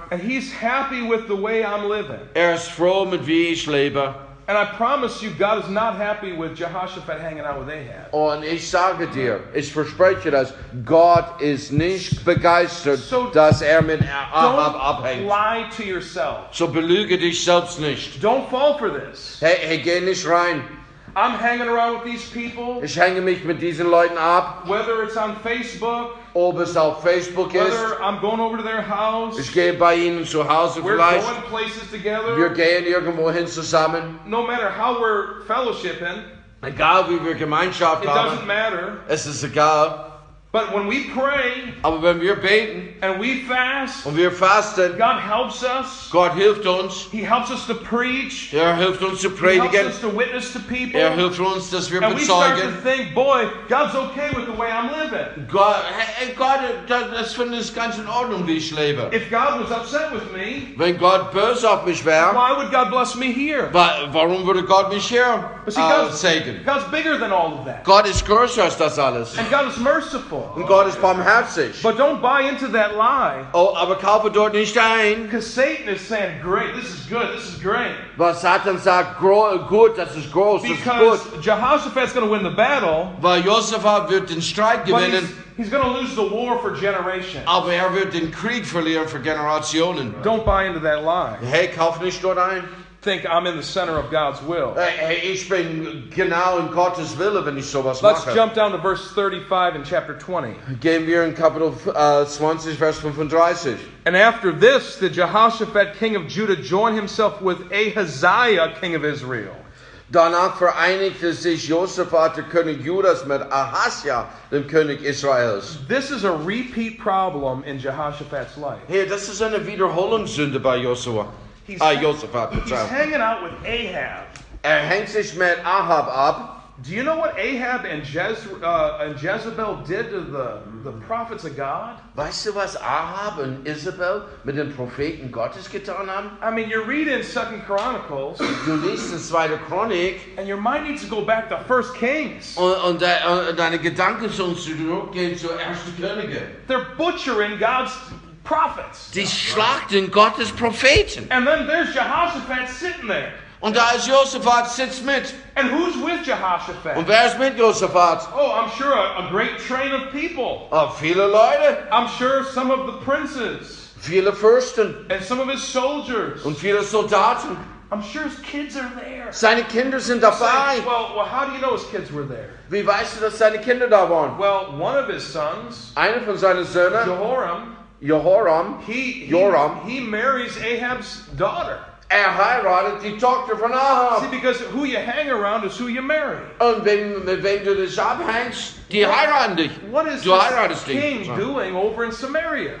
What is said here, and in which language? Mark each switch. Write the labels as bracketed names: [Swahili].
[English] And he's happy with the way I'm living. [German] Ist froh mit wie ich lebe. [English] And I promise you, God is not happy with Jehoshaphat hanging out with Ahab. Oh, and [German] ich sage dir, ich verspreche das, Gott ist nicht begeistert, so, dass mit Ahab abhängt. [English] Don't lie to yourself. [German] So belüge dich selbst nicht. [English] Don't fall for this. [German] Hey, geh nicht rein. [English] I'm hanging around with these people. [German] Ich hänge mich mit diesen Leuten ab. [English] Whether it's on Facebook. [German] Ob es auf Facebook ist. [English] Whether I'm going over to their house. [German] Ich gehe bei ihnen zu Hause vielleicht. [English] We're going places together. [German] Wir gehen irgendwo hin zusammen. [English] No matter how we're fellowshipping. [German] Egal wie wir Gemeinschaft haben. [English] It doesn't matter. [German] Es ist egal. [English] But when we pray, [German] aber wenn wir beten, [English] and we fast, [German] und wir fasten, [English] God helps us. [German] Gott hilft uns. [English] He helps us to preach. [German] Hilft uns zu predigen. [English] He helps us to witness to people. [German] Hilft uns, dass wir [English] and [German] bezeugen. [English] We start to think, boy, God's okay with the way I'm living. [German] Gott, das finde ich ganz in Ordnung, wie ich lebe. [English] If God was upset with me, [German] wenn Gott böse auf mich wäre, [English] why would God bless me here? [German] Warum würde Gott mich hier segnen? [English] God's bigger than all of that. [German] Gott ist größer als das alles. [English] And God is merciful. [German] Und Gott ist barmherzig. [English] But don't buy into that lie. [German] Oh, aber kaufe dort nicht ein. [English] Because Satan is saying, great, this is good, this is great. [German] Weil Satan sagt, gut, das ist groß, das ist gut. [English] Because Jehoshaphat's going to win the battle. [German] Weil Josaphat wird den Streit gewinnen. [English] He's going to lose the war for generations. [German] Aber wird den Krieg verlieren für Generationen. [English] Don't buy into that lie. [German] Hey, kauf nicht dort ein. [English] Think I'm in the center of God's will. [German] Ich bin genau in Gottes Wille, wenn ich sowas [English] Let's [German] mache. [English] Jump down to verse 35 in chapter 20. [German] Gehen wir in Kapitel 20, Vers 35. [English] And after this, the Jehoshaphat, king of Judah, joined himself with Ahaziah, king of Israel. [German] Danach vereinigte sich Josaphat, der König Judas, mit Ahazia, dem König Israels. [English] This is a repeat problem in Jehoshaphat's life. [German] Hey, das ist eine Wiederholungssünde bei Josua. [English] He's hanging out with Ahab. [German] Hängt sich mit Ahab ab. [English] Do you know what Ahab and Jezebel did to the prophets of God? [German] Weißt du, was Ahab und Isabel mit den Propheten Gottes getan haben? [English] I mean, you're reading 2 Chronicles. [German] Du liest in 2. Chronik. [English] And your mind needs to go back to 1 Kings. [German] Und deine Gedanken sollen zurückgehen zu 1. Könige. [English] They're butchering God's prophets. [German] Die schlachten Gottes Propheten. [English] And then there's Jehoshaphat sitting there. [German] Und da ist Josaphat sitzt mit. [English] And who's with Jehoshaphat? [German] Und wer ist mit Josaphat? [English] Oh, I'm sure a great train of people. [German] Viele Leute. [English] I'm sure some of the princes. [German] Viele Fürsten. [English] And some of his soldiers. [German] Und viele Soldaten. [English] I'm sure his kids are there. [German] Seine Kinder sind dabei. [English] Well, how do you know his kids were there? [German] Wie weißt du, dass seine Kinder da waren? [English] Well, one of his sons. [German] Einer von seinen Söhnen. [English] Jehoram. [German] Joram. [English] He marries Ahab's daughter. [German] Heiratet die Tochter von Ahab. [English] See, because who you hang around is who you marry. [German] Und wenn du das abhängst, die heiraten dich. [English] What is this king doing over in Samaria?